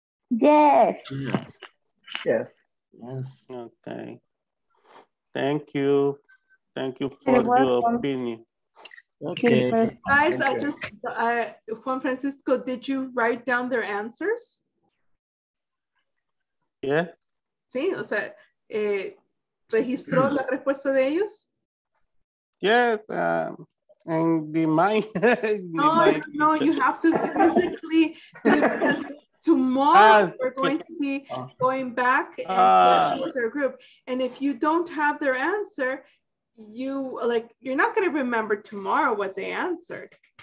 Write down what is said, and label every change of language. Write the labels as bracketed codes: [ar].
[en] Yes. Okay. Thank you for your opinion. Okay. Guys, okay. Juan Francisco, did you write down their answers? Yeah. [es] Sí, o sea, registró la respuesta de ellos? [en] Yes, and the mind. No, you have to physically, tomorrow we're going to be going back and with their group. And if you don't have their answer, you're not going to remember tomorrow what they answered.